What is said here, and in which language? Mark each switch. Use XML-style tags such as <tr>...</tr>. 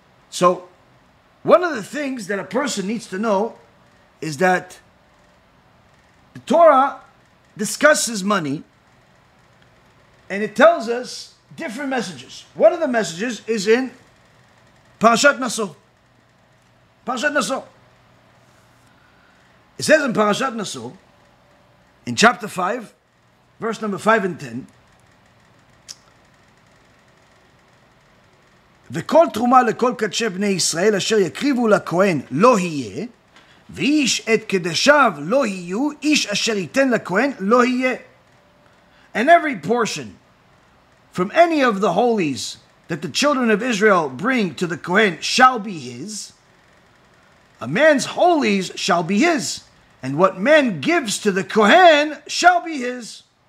<en>So, one of the things that a person needs to know is that the Torah discusses money and it tells us different messages. One of the messages is in Parashat Naso. It says in Parashat Naso, in chapter 5, verse number 5 and 10,</en> <he>וכל תרומה לכל קדשי בני ישראל אשר יקריבו לכהן לא יהיה ואיש את קדשיו לא יהיו איש אשר ייתן לכהן לא יהיה.</he> <en>And every portion from any of the holies that the children of Israel bring to the Kohen shall be his. A man's holies shall be his. And what man gives to the Kohen shall be his.</en>